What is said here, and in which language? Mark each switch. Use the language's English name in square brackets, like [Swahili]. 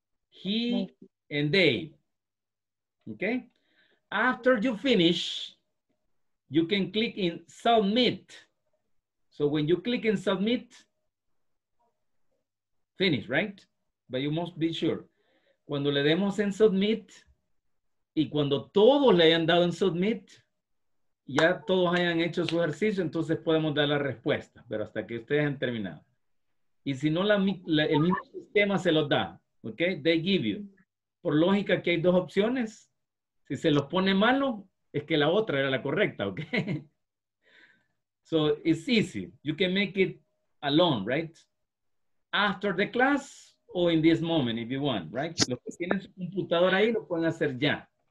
[English] He and they. Okay. After you finish, you can click in submit. So when you click in submit, finish, right? But you must be sure. [Spanish] Cuando le demos en submit, y cuando todos le hayan dado en submit, ya todos hayan hecho su ejercicio, entonces podemos dar la respuesta. Pero hasta que ustedes han terminado. Y si no, el mismo sistema se los da. Okay? They give you. Por lógica, aquí hay dos opciones. Si se los pone malo, es que la otra era la correcta, okay? [English] So it's easy. You can make it alone, right? After the class or in this moment if you want, right? [Spanish] Los que tienen su computador ahí lo pueden hacer ya.